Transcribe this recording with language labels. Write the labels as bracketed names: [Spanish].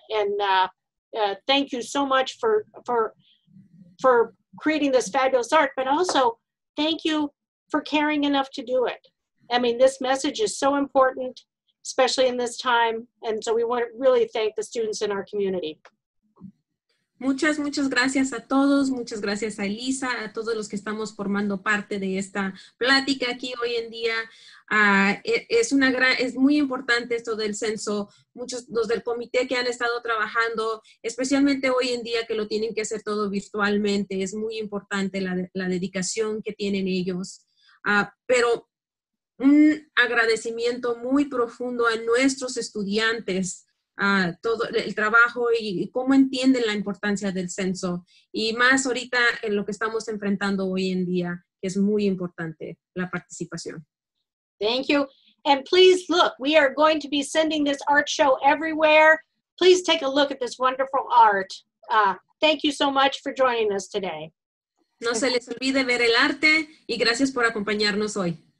[English] And thank you so much for creating this fabulous art, but also thank you for caring enough to do it. I mean, this message is so important, especially in this time. And so we want to really thank the students in our community. [Spanish] Muchas, muchas gracias a todos. Muchas gracias a Elisa, a todos los que estamos formando parte de esta plática aquí hoy en día. Es muy importante esto del censo. Muchos los del comité que han estado trabajando, especialmente hoy en día que lo tienen que hacer todo virtualmente, es muy importante la dedicación que tienen ellos. Pero un agradecimiento muy profundo a nuestros estudiantes, todo el trabajo y cómo entienden la importancia del censo. Y más ahorita en lo que estamos enfrentando hoy en día, que es muy importante la participación. [English] Thank you. And please look, we are going to be sending this art show everywhere. Please take a look at this wonderful art. Thank you so much for joining us today. [Spanish] No se les olvide ver el arte y gracias por acompañarnos hoy.